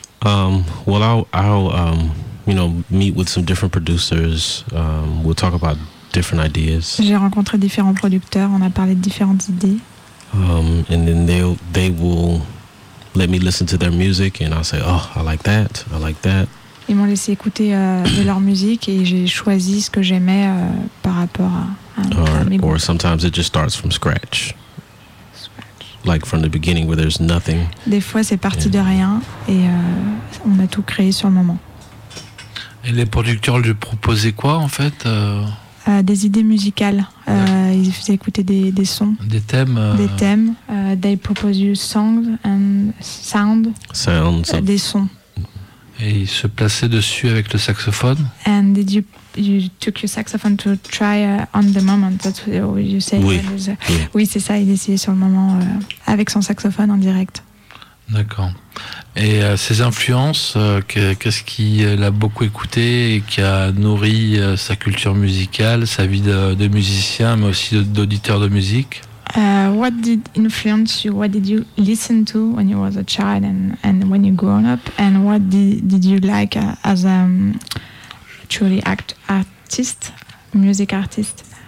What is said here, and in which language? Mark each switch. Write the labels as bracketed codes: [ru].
[en] Well, I'll you know, meet with some different producers. We'll talk about different ideas. [fr] J'ai rencontré différents producteurs. On a parlé de différentes idées. [en] And then they will let me listen to their music, and I'll say, oh, I like that. I like that. [fr] Ils m'ont laissé écouter de leur musique et j'ai choisi ce que j'aimais par rapport à [en] Or sometimes it just starts from scratch. Like from the beginning where there's nothing. [fr] Des fois c'est parti de rien et on a tout créé sur le moment. Et les producteurs lui proposaient quoi en fait Des idées musicales. Ils faisaient écouter des sons. Des thèmes. Des thèmes. [en] They propose you songs and sound. Sounds. [fr] Des sons. Et il se plaçait dessus avec le saxophone. [en] And did you took your saxophone to try on the moment? That's what you say. [fr] Oui. Oui, c'est ça. Il essayait sur le moment avec son saxophone en direct. D'accord. Et ses influences, qu'est-ce qu'il a beaucoup écouté et qui a nourri sa culture musicale, sa vie de musicien, mais aussi d'auditeur de musique? [en] What did influence you? What did you listen to when you was a child and when you grown up? And what did you like as a truly artist, music artist?